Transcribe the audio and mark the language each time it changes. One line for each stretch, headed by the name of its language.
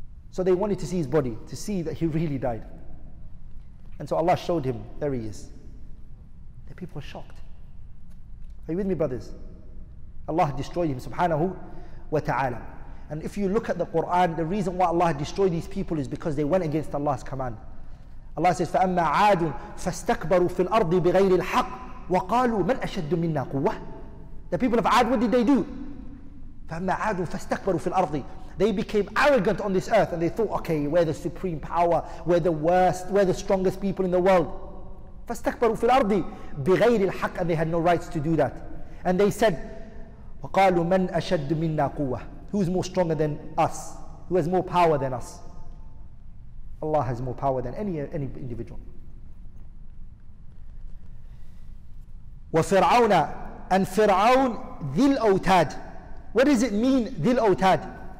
English: So they wanted to see his body, to see that he really died. And so Allah showed him, there he is. The people were shocked. Are you with me, brothers? Allah destroyed him, subhanahu wa ta'ala. And if you look at the Quran, the reason why Allah destroyed these people is because they went against Allah's command. Allah says,
Arabic: فَأَمَّا عَادٌ فَاسْتَكْبَرُوا فِي الْأَرْضِ بِغَيْرِ الْحَقِّ وَقَالُوا مَنْ أَشَدُّ مِنَّا قُوَّةِ.
English: The people of Ad, what did they do?
Arabic: فَأَمَّا عَادٌ فَاسْتَكْبَرُوا فِي الْأَرْضِ.
English: They became arrogant on this earth and they thought, okay, we're the supreme power, we're the worst, we're the strongest people in the world.
Arabic: فَاسْتَكْبَرُوا فِي الْأَرْضِ بِغَيْرِ الْحَقِّ.
English: And they had no rights to do that. And they said,
Arabic: وَقَالُوا مَنْ أَشَدُّ مِنَّا قُوَّةِ.
English: Who is more stronger than us? Who has more power than us? Allah has more power than any individual.
Arabic: وَفِرْعَوْنَ.
English: And Fir'aun, ذِلْ أَوْتَاد. What does it mean, ذِلْ أَوْتَاد?